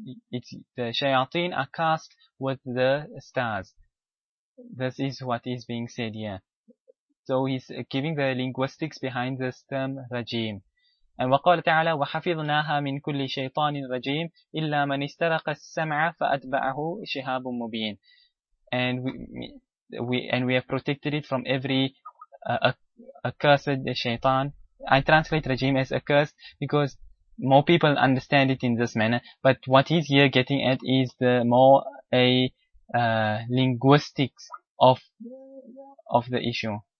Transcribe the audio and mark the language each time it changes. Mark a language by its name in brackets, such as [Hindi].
[English] It's the shayateen are cast with the stars. This is what is being said here. So he's giving the linguistics behind this term rajim. [Arabic] And وقال تعالى وحفظناها من كل شيطان رجيم إلا من استرق السمع فأتبعه شهاب مبين. [English] And we have protected it from every accursed shaitan. I translate rajim as accursed because more people understand it in this manner. But what he's here getting at is the more a linguistics of the issue.